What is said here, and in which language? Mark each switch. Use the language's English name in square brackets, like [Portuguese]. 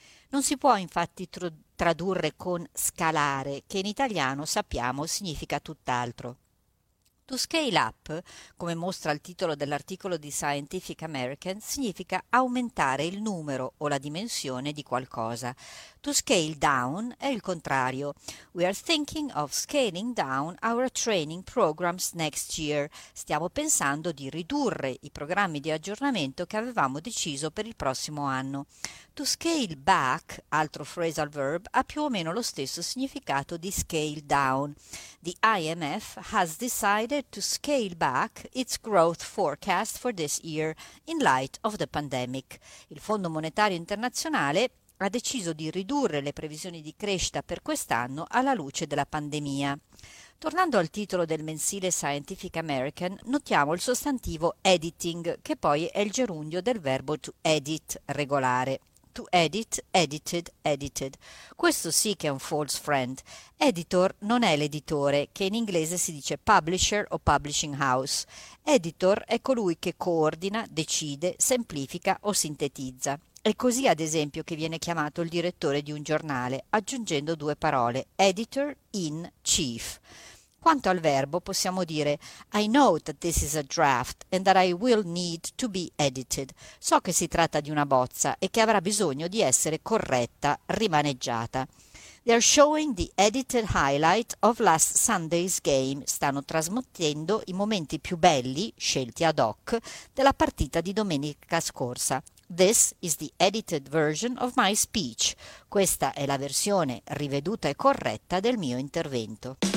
[Italian] Non si può infatti tradurre con scalare, che in italiano sappiamo significa tutt'altro. To scale up, come mostra il titolo dell'articolo di Scientific American, significa aumentare il numero o la dimensione di qualcosa. To scale down è il contrario. [English] We are thinking of scaling down our training programs next year. [Italian] Stiamo pensando di ridurre i programmi di aggiornamento che avevamo deciso per il prossimo anno. To scale back, altro phrasal verb, ha più o meno lo stesso significato di scale down. [English] The IMF has decided to scale back its growth forecast for this year in light of the pandemic. [Italian] Il Fondo Monetario Internazionale ha deciso di ridurre le previsioni di crescita per quest'anno alla luce della pandemia. Tornando al titolo del mensile Scientific American, notiamo il sostantivo editing, che poi è il gerundio del verbo to edit, regolare. To edit, edited, edited. Questo sì che è un false friend. Editor non è l'editore, che in inglese si dice publisher o publishing house. Editor è colui che coordina, decide, semplifica o sintetizza. È così, ad esempio, che viene chiamato il direttore di un giornale, aggiungendo due parole, editor in chief. Quanto al verbo, possiamo dire [English] I know that this is a draft and that I will need to be edited. [Italian] So che si tratta di una bozza e che avrà bisogno di essere corretta, rimaneggiata. [English] They are showing the edited highlight of last Sunday's game. [Italian] Stanno trasmettendo i momenti più belli, scelti ad hoc, della partita di domenica scorsa. [English] This is the edited version of my speech. [Italian] Questa è la versione riveduta e corretta del mio intervento.